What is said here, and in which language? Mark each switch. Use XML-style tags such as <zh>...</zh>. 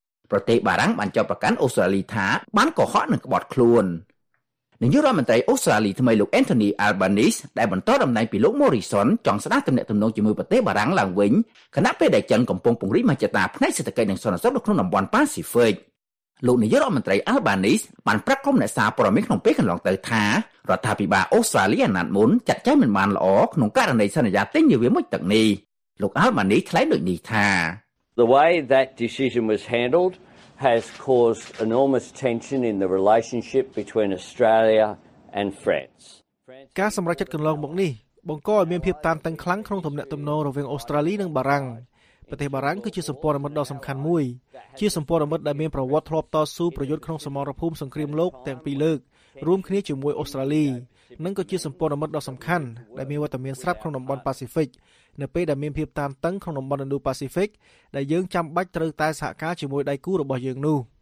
<km>ប្រទេសបារាំងបានចោទប្រកាន់អូស្ត្រាលីថាបានកុហកនិងក្បត់ខ្លួននាយករដ្ឋមន្ត្រីអូស្ត្រាលីថ្មីលោក Anthony Albanese ដែលបន្តដំណើរពីលោក Morrison ចង់ស្ដារទំនាក់ទំនងជាមួយប្រទេសបារាំងឡើងវិញគណៈពេលដែលចិនកំពុងពង្រីកមហិច្ឆតាផ្នែកសេដ្ឋកិច្ចនិងសន្តិសុខនៅក្នុងតំបន់ Pacific លោកនាយករដ្ឋមន្ត្រី Albanese បានប្រាប់ក្រុមអ្នកសារព័ត៌មានក្នុងពេលកន្លងទៅថារដ្ឋាភិបាលអូស្ត្រាលីអាណត្តិមុនចាត់ចែងមិនបានល្អក្នុងករណីសន្យាទិញនាវាមួយទឹកនេះលោក Albanese ថ្លែងដូចនេះថា</km> <en>The way that decision was handledhas caused enormous tension in the relationship between Australia and France.</en> <km>ការសម្រេចចិត្តកន្លងមកនេះបង្កឲ្យមានភាពតានតឹងខ្លាំងក្នុងទំនាក់ទំនងរវាងអូស្ត្រាលីនិងបារាំងប្រទេសបារាំងគឺជាសម្ព័ន្ធមិត្តដ៏សំខាន់មួយជាសម្ព័ន្ធមិត្តដែលមានប្រវត្តិធ្លាប់តស៊ូប្រយុទ្ធក្នុងសមរភូមិសង្គ្រាមលោកទាំងពីរលើក រួមគ្នាជាមួយអូស្ត្រាលីនិងក៏ជាសម្ព័ន្ធមិត្តដ៏សំខាន់ដែលមានវត្តមានស្រាប់ក្នុងតំបន់ប៉ាស៊ីហ្វិកនៅពេលដែលមានភាពតានតឹងក្នុងតំបន់ឥណ្ឌូ-ប៉ាស៊ីហ្វិកដែលយើងចាំបាច់ត្រូវតែសហការជាមួយដៃគូរបស់យើងនោះ</km>